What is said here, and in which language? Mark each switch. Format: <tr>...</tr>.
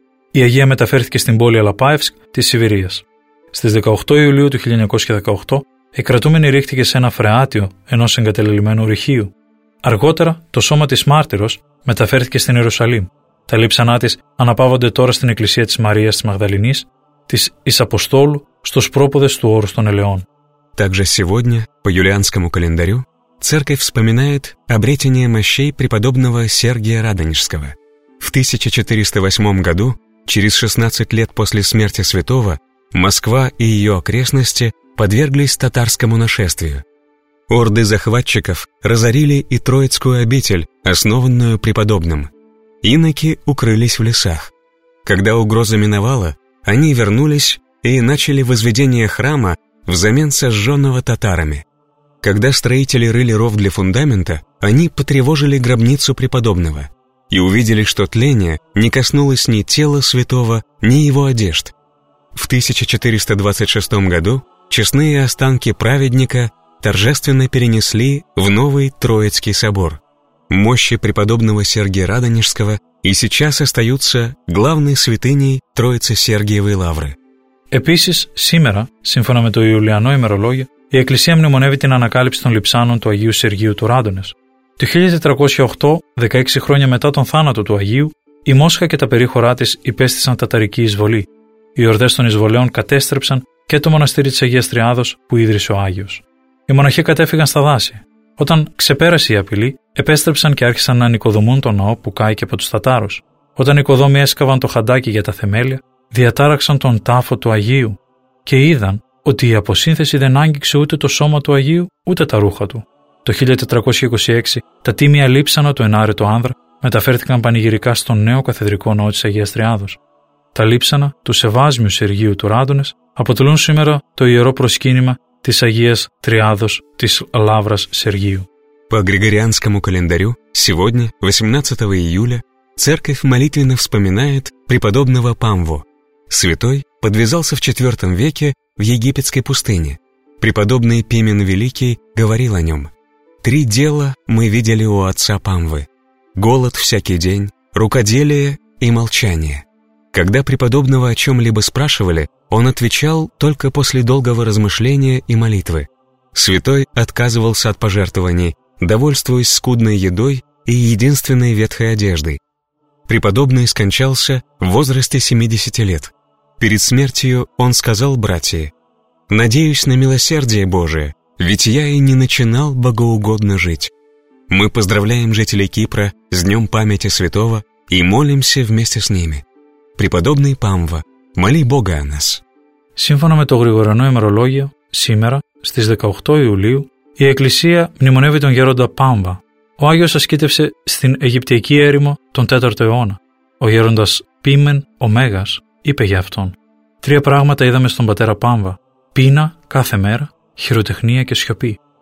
<el>Η Αγία μεταφέρθηκε στην πόλη Αλαπάευσκ της Σιβηρίας. Στις 18 Ιουλίου του 1918, η κρατούμενη ρίχτηκε σε ένα φρεάτιο ενός εγκατελελειμμένου ρηχείου. Αργότερα, το σώμα της μάρτυρος μεταφέρθηκε στην Ιερουσαλήμ. Τα λείψανά της αναπαύονται τώρα στην εκκλησία της Μαρίας της Μαγδαληνής, της εις Αποστόλου, στους πρόποδες του όρους των Ελαιών.</el> <ru>Также сегодня, по юлианскому календарю, церковь вспоминает обретение мощей преподобного Сергия Радонежского. В 1408 году, через 16 лет после смерти святого, Москва и ее окрестности подверглись татарскому нашествию. Орды захватчиков разорили и Троицкую обитель, основанную преподобным. Иноки укрылись в лесах. Когда угроза миновала, они вернулись и начали возведение храма взамен сожженного татарами. Когда строители рыли ров для фундамента, они потревожили гробницу преподобного и увидели, что тление не коснулось ни тела святого, ни его одежд. В 1426 году честные останки праведника торжественно перенесли в новый Троицкий собор. Мощи преподобного Сергия Радонежского и сейчас остаются главной святыней Троице-Сергиевой лавры.</ru> <el>Επίσης, σήμερα, σύμφωνα με το Ιουλιανό ημερολόγιο, η Εκκλησία μνημονεύει την ανακάλυψη των λειψάνων του Αγίου Σεργίου του Ράντονες. Το 1408, 16 χρόνια μετά τον θάνατο του Αγίου, η Μόσχα και τα περίχωρά της υπέστησαν τατρική εισβολή. Οι ορδές των εισβολέων κατέστρεψαν και το μοναστήρι της Αγίας Τριάδος που ίδρυσε ο Άγιος. Οι μοναχοί κατέφυγαν στα δάση. Όταν ξεπέρασε η απειλή, επέστρεψαν και άρχισαν να νοικοδομούν τον ναό που κάηκε από τους Τατάρους. Όταν οι οικοδόμοι έσκαβαν το χαντάκι για τα θεμέλια, διατάραξαν τον τάφο του Αγίου και είδαν ότι η αποσύνθεση δεν άγγιξε ούτε το σώμα του Αγίου ούτε τα ρούχα του. Το 1426 τα τίμια λείψανα του ενάρετου άνδρα μεταφέρθηκαν πανηγυρικά στον νέο καθεδρικό ναό της Αγίας Τριάδος. Τα λείψανα του Σεβάσμιου Σεργίου του Ράντονες αποτελούν σήμερα το ιερό προσκύνημα της Αγίας Τριάδος της Λαύρας Σεργίου.</el> <ru>По Григорианскому календарю, сегодня, 18 июля, церковь молитвенно вспоминает преподобного Памву. Святой подвязался в 4 веке в египетской пустыне. Преподобный Пимен Великий говорил о нем. «Три дела мы видели у отца Памвы. Голод всякий день, рукоделие и молчание. Когда преподобного о чем-либо спрашивали, он отвечал только после долгого размышления и молитвы. Святой отказывался от пожертвований довольствуясь скудной едой и единственной ветхой одеждой. Преподобный скончался в возрасте 70 лет. Перед смертью он сказал братии: «Надеюсь на милосердие Божие, ведь я и не начинал богоугодно жить». Мы поздравляем жителей Кипра с днем памяти святого и молимся вместе с ними. Преподобный Памва, моли Бога о нас.</ru> <el>Сύμφωνα με το γρηγοριανό ημερολόγιο, σήμερα, στις 18 Ιουλίου, η Εκκλησία μνημονεύει τον Γέροντα Πάμβα. Ο Άγιος ασκήτευσε στην Αιγυπτιακή έρημο τον 4ο αιώνα. Ο Γέροντας Πίμεν ο Μέγας είπε για αυτόν: «Τρία πράγματα είδαμε στον πατέρα Πάμβα: πείνα κάθε μέρα, χειροτεχνία και σιωπή».</el>